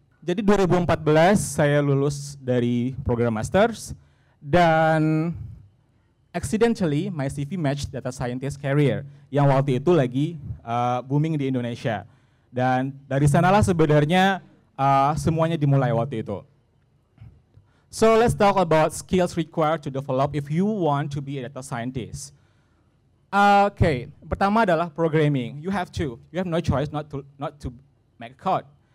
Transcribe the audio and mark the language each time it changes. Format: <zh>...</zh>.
<id>Jadi 2014 saya lulus dari program master's dan</id> <en>accidentally my CV matched data scientist career</en> <id>yang waktu itu lagi booming di Indonesia. Dan dari sanalah sebenarnya semuanya dimulai waktu itu.</id> <en>So let's talk about skills required to develop if you want to be a data scientist.</en> <id>Okay, pertama adalah programming.</id> <en>You have no choice not to make code.</en>